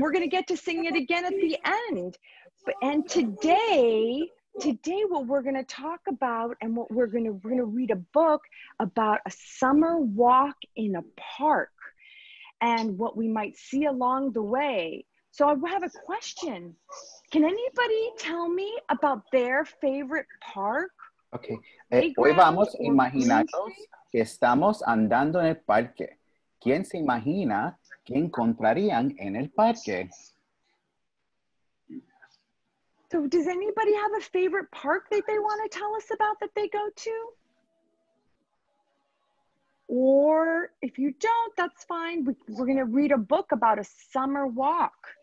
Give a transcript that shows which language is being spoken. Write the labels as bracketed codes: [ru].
[en] We're going to get to sing it again at the end. And today what we're going to talk about and what we're going to read a book about a summer walk in a park and what we might see along the way. So I have a question. Can anybody tell me about their favorite park? Okay. [es] Hoy vamos a imaginarnos que estamos andando en el parque. ¿Quién se imagina que encontrarían en el parque? [en] So does anybody have a favorite park that they want to tell us about that they go to? Or if you don't, that's fine. We're going to read a book about a summer walk.